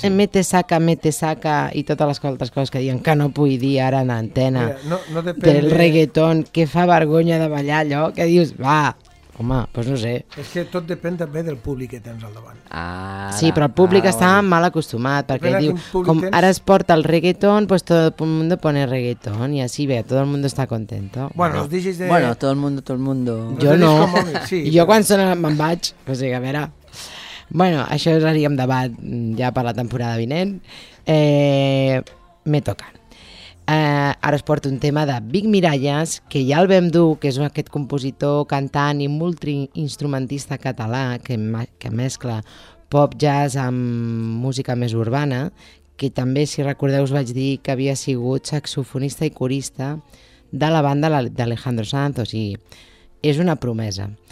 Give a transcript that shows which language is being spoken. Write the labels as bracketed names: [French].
[Catalan] sí. Mete saca i totes les altres coses que diuen que no vull dir ara en antena. Mira, no depèn... Del reggaeton, que fa vergonya de ballar allò, que dius, va... Home, doncs pues no sé. És que tot depèn també del públic que tens al davant. Ara, sí, però el públic està bueno. Mal acostumat, perquè diu, com tens... ara es porta el reggaeton, [Spanish] pues todo el mundo pone reggaeton, [Catalan] i així, bé, [Spanish] todo el mundo está contento. [Catalan] Bueno, els DJs de... [Spanish] Bueno, todo el mundo, todo el mundo. [Catalan] Jo no. Sí, jo però... quan sona me'n vaig, o sigui, a veure... Bueno, això ho haríem debat ja per la temporada vinent. [Spanish] Me toca. [Catalan] Ara es porta un tema de Vic Miralles, que ja el vam dur, que és aquest compositor, cantant i multiinstrumentista català que mescla pop jazz amb música més urbana, que també, si recordeu, us vaig dir que havia sigut saxofonista i corista de la banda d'Alejandro Sanz, o sigui, és una promesa.